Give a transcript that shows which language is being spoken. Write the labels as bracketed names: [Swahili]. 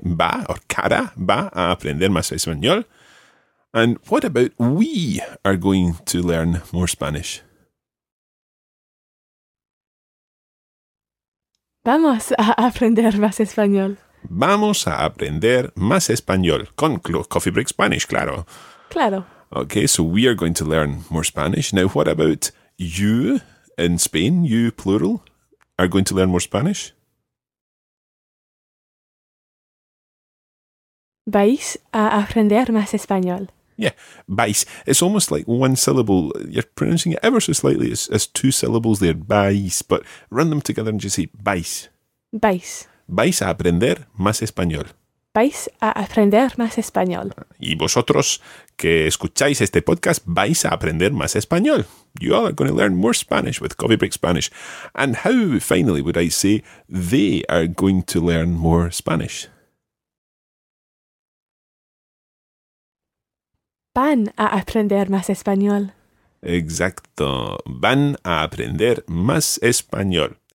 [Spanish] Va or Cara va a aprender más español. [English] And what about we are going to learn more Spanish? [Spanish] Vamos a aprender más español. Vamos a aprender más español con Coffee Break Spanish, claro. Claro. [English] Okay, so we are going to learn more Spanish. Now, what about you in Spain, you plural, are going to learn more Spanish? [Spanish] Vais a aprender más español. [English] Yeah, vais. It's almost like one syllable. You're pronouncing it ever so slightly as two syllables there, vais. But run them together and just say vais. [Spanish] Vais. Vais a aprender más español. Vais a aprender más español. Y vosotros que escucháis este podcast, vais a aprender más español. [English] You all are going to learn more Spanish with Coffee Break Spanish. And how, finally, would I say they are going to learn more Spanish? [Spanish] Van a aprender más español. Exacto. Van a aprender más español.